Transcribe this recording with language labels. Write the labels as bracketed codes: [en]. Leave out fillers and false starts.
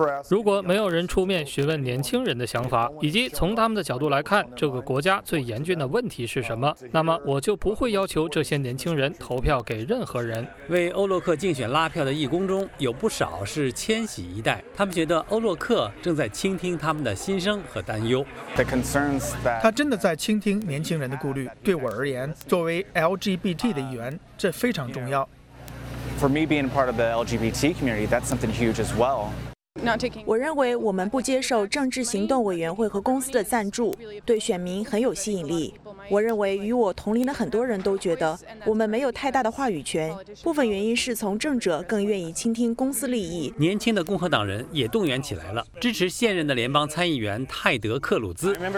[zh] 如果没有人出面询问年轻人的想法，以及从他们的角度来看这个国家最严峻的问题是什么，那么我就不会要求这些年轻人投票给任何人。为欧洛克竞选拉票的义工中有不少是千禧一代，他们觉得欧洛克正在倾听他们的心声和担忧。他真的在倾听年轻人的顾虑。对我而言，作为 LGBT的议员，这非常重要。 [en] For me, being part of the LGBT community, that's something huge as well. [zh] 我认为我们不接受政治行动委员会和公司的赞助，对选民很有吸引力。我认为与我同龄的很多人都觉得我们没有太大的话语权，部分原因是从政者更愿意倾听公司利益。年轻的共和党人也动员起来了，支持现任的联邦参议员泰德·克鲁兹。